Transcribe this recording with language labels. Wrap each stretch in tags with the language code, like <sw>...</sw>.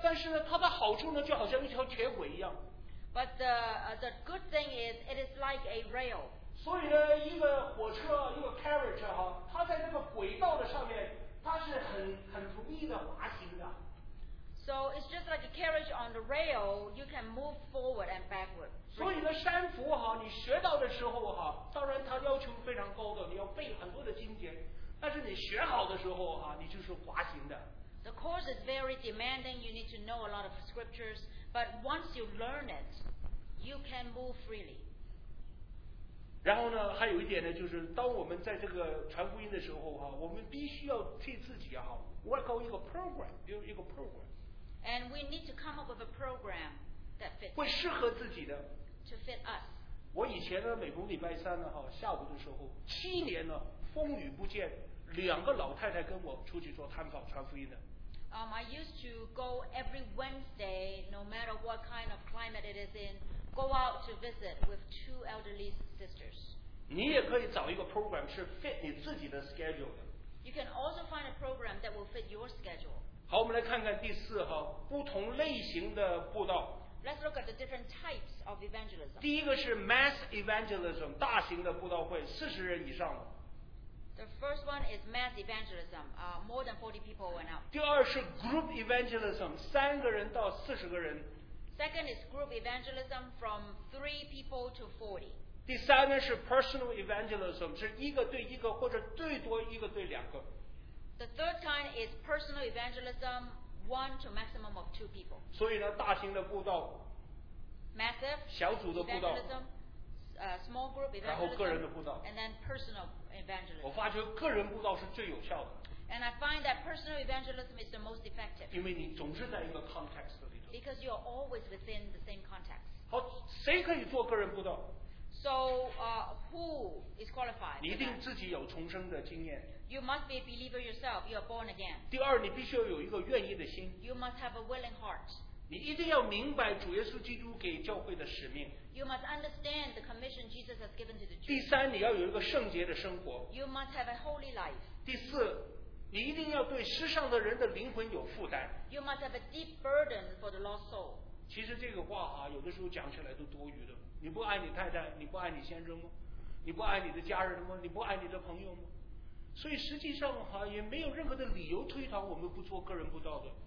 <zh>但是呢，它的好处呢，就好像一条铁轨一样。</zh> <en>But the good thing is, it is like a rail.</en> <zh>所以呢，一个火车，一个</zh> <en>carriage</en> <zh>哈，它在这个轨道的上面，它是很容易的滑行的。</zh> <en>So it's just like a carriage on the rail, you can move forward and backward.</en> <zh>所以呢，三福哈，你学到的时候哈，当然它要求非常高的，你要背很多的经典。但是你学好的时候哈，你就是滑行的。</zh> <en>The course is very demanding. You need to know a lot of scriptures, but once you learn it, you can move freely.</en> <zh>然后呢，还有一点呢，就是当我们在这个传福音的时候哈，我们必须要替自己哈</zh> <en>work out</en> <zh>一个</zh> <en>program，</en> <zh>有一个 program。</zh> <en>And we need to come up with a program that fits.</en> <zh>会适合自己的。</zh> <en>To fit us.</en> <zh>我以前呢，每逢礼拜三呢，哈，下午的时候，7年呢，风雨不见，两个老太太跟我出去做探访传福音的。</zh> <en>I used to go every Wednesday, no matter what kind of climate it is in, go out to visit with 2 elderly sisters.</en> <zh>你也可以找一个</zh> <en>program</en> <zh>是</zh> <en>fit</en> <zh>你自己的</zh> <en>schedule</en> <zh>的。</zh> <en>You can also find a program that will fit your schedule.</en> <zh>好，我们来看看第四哈，不同类型的布道。</zh> <en>Let's look at the different types of evangelism.</en> <zh>第一个是</zh> <en>mass evangelism，</en> <zh>大型的布道会，40人以上的。</zh> <en>The first one is mass evangelism, more than 40 people went out.</en> <zh>第二是</zh> <en>group evangelism，</en> <zh>3个人到40个人。</zh> <en>Second is group evangelism from 3 people to 40.</en> <zh>第三呢是</zh> <en>personal evangelism，</en> <zh>是一个对一个或者最多一个对两个。</zh> <en>The third kind is personal evangelism, one to maximum of two people.</en> <zh>所以呢，大型的布道</zh> <en>，massive</en> <zh>小组的布道</zh> <en>，evangelism, small group evangelism，</en> <zh>然后个人的布道</zh> <en>，and then personal evangelism.</en> <zh>我发觉个人布道是最有效的。</zh> <en>And I find that personal evangelism is the most effective.</en> <zh>因为你总是在一个</zh> <en>context</en> <zh>里头。</zh> <en>Because you are always within the same context.</en> <zh>好，谁可以做个人布道？</zh> <en>So, who is qualified?</en> <zh>你一定自己有重生的经验。</zh> <en>You must be a believer yourself. You are born again.</en> <zh>第二，你必须要有一个愿意的心。</zh> <en>You must have a willing heart.</en> <zh>你一定要明白主耶稣基督给教会的使命。</zh> <en>You must understand the commission Jesus has given to the church.</en> <zh>第三，你要有一个圣洁的生活。</zh> <en>You must have a holy life.</en> <zh>第四，你一定要对世上的人的灵魂有负担。</zh> <en>You must have a deep burden for the lost soul.</en> <zh>其实这个话啊，有的时候讲起来都多余的。你不爱你太太，你不爱你先生吗？你不爱你的家人吗？你不爱你的朋友吗？所以实际上哈，也没有任何的理由推搪我们不做个人布道的。</zh>